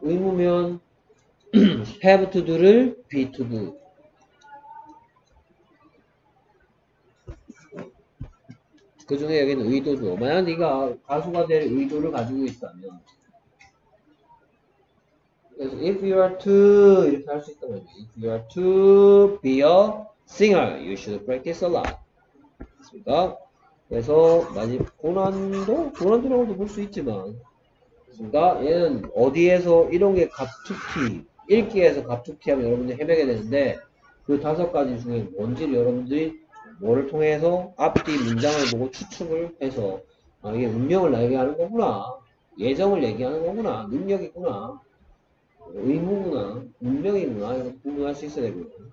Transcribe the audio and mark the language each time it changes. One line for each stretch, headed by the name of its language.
Korean: 의무면 have to do를 be to do. 그 중에 여기는 의도죠. 만약 네가 가수가 될 의도를 가지고 있다면. 그래서
English: if you are to
Korean: 이렇게 할 수 있단 말이죠.
English: If you are to be a singer, you should practice a lot.
Korean: 됐습니까? 그래서 많이 고난도? 고난도라고도 볼 수 있지만 됐습니까? 얘는 어디에서 이런 게 갑툭튀 읽기에서 갑툭튀 하면 여러분들이 헤매게 되는데 그 다섯 가지 중에 뭔지를 여러분들이 뭐를 통해서 앞뒤 문장을 보고 추측을 해서 아 이게 운명을 얘기하는 거구나 예정을 얘기하는 거구나 능력이구나 의무구나, 운명이구나, 이렇게 구분할 수 있어야 되고요.